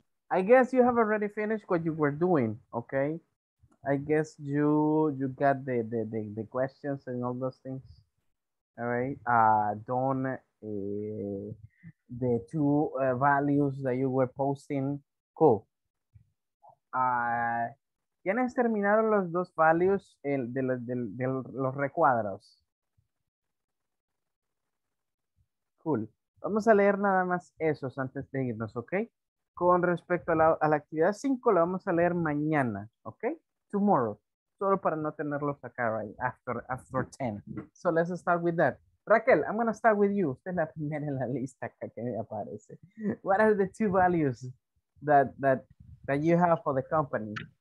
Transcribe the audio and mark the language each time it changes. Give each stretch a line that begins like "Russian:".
English: I guess you have already finished what you were doing, okay? I guess you got the questions and all those things. All right. The two values that you were posting, cool.
Spanish: ¿Tienes terminado los dos values de los recuadros? Cool. Vamos a leer nada más esos antes de irnos, ¿ok? Con respecto a la actividad 5, la vamos a leer mañana, ¿ok? Tomorrow. Solo para no tenerlos acá, right? After 10.
English: So let's start with that. Raquel, I'm going to start with you.
Spanish: Usted es la primera en la lista que me aparece.
English: What are the two values that you have for the company?